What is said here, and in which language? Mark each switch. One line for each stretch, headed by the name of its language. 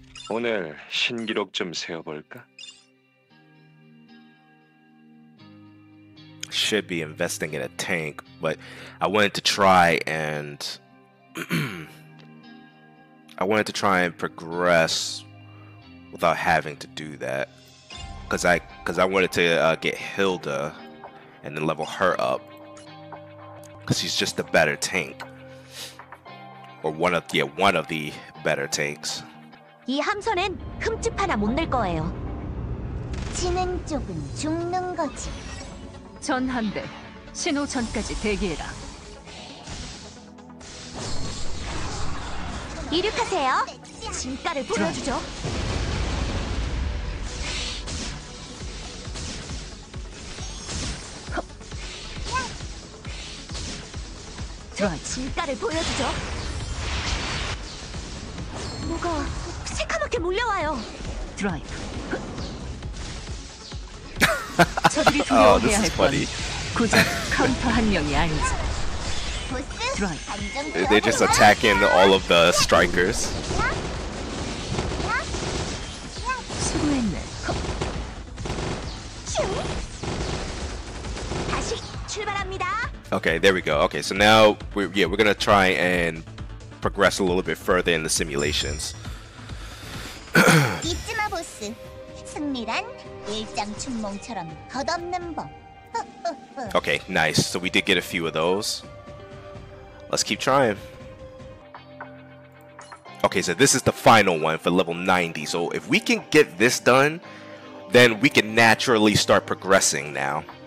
Korean: 오늘 신기록 좀 세어볼까?
English: Should be investing in a tank, but I wanted to try and I wanted to try and progress without having to do that, because I wanted to get Hilda and then level her up, because she's just the better tank, or one of the better tanks.
Korean: 이 함선엔 흠집 하나 못 낼 거예요. 지능 쪽은 죽는 거지. 전 한 대, 신호 전까지 대기해라. 이륙하세요. 진가를 보여주죠. 좋아, 진가를 보여주죠. 뭐가 새카맣게 몰려와요. 드라이브. 저들이 두려워해야 할 건 고작 카운터 한 명이 아니지. 드라이브.
English: They just attack in all of the strikers.
Korean: 수고했네. 다시 출발합니다.
English: Okay, there we go. Okay, so now we're gonna try and progress a little bit further in the simulations.
Korean: 잊지마 보스. 승리란 일장 춘몽처럼 겉없는 법.
English: Okay, nice. So we did get a few of those. Let's keep trying. Okay, so this is the final one for level 90. So if we can get this done, then we can naturally start progressing now.